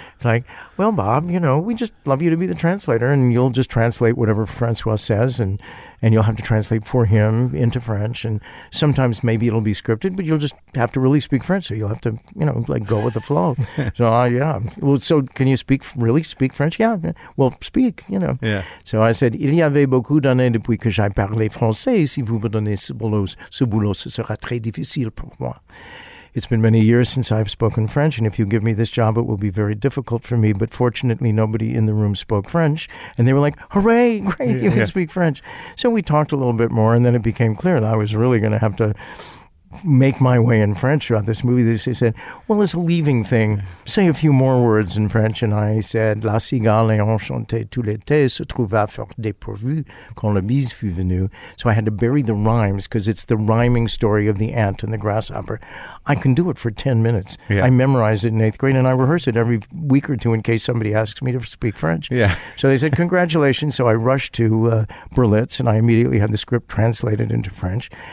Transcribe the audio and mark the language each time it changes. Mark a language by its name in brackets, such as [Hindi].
[English] It's like, well, Bob, you know, we just love you to be the translator, and you'll just translate whatever Francois says, and you'll have to translate for him into French. And sometimes maybe it'll be scripted, but you'll just have to really speak French. So you'll have to, you know, like go with the flow. So, Well, so can you really speak French? Yeah. Well, speak, you know. Yeah. So I said, [French] il y avait beaucoup d'années depuis que j'ai parlé français. Si vous me donnez ce boulot, ce sera très difficile pour moi. [English] It's been many years since I've spoken French, and if you give me this job, it will be very difficult for me. But fortunately, nobody in the room spoke French. And they were like, hooray, great, you can speak French. So we talked a little bit more, and then it became clear that I was really going to have to make my way in French throughout this movie. They said, well, it's a leaving thing. Say a few more words in French. And I said, [French] la cigale enchantée tout l'été se trouva fort dépourvue quand la bise fut venue. [English] So I had to bury the rhymes, because it's the rhyming story of the ant and the grasshopper. I can do it for 10 minutes. Yeah. I memorize it in eighth grade, and I rehearse it every week or two in case somebody asks me to speak French. Yeah. So they said, congratulations. So I rushed to Berlitz, and I immediately had the script translated into French.